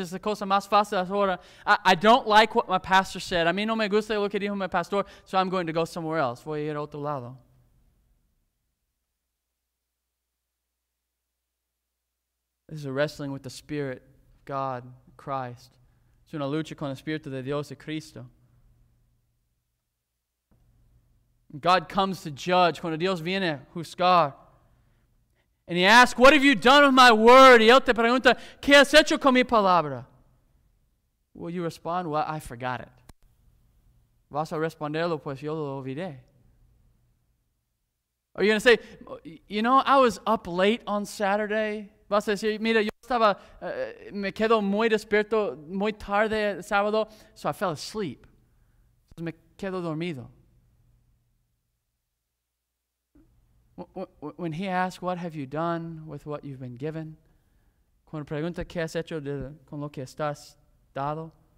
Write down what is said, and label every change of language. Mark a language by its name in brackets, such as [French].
[Spanish] Es la cosa más fácil ahora. [English] I don't like what my pastor said. [Spanish] A mí no me gusta lo que dijo mi pastor, [English] so I'm going to go somewhere else. [Spanish] Voy a ir a otro lado. [English] This is a wrestling with the Spirit of God, Christ. [Spanish] Es una lucha con el Espíritu de Dios y Cristo. [English] God comes to judge. [Spanish] Cuando Dios viene a juzgar. [English] And he asks, what have you done with my word? [Spanish] Y él te pregunta, ¿qué has hecho con mi palabra? [English] Will you respond? Well, I forgot it. [Spanish] Vas a responderlo, pues yo lo olvidé. [English] Are you going to say, you know, I was up late on Saturday. [Spanish] Vas a decir, mira, yo estaba, me quedo muy despierto, muy tarde el sábado, [English] so I fell asleep. [Spanish] Entonces me quedo dormido. [English] When he asks, what have you done with what you've been given? [Spanish] Cuando pregunta, ¿qué has hecho con lo que estás dado?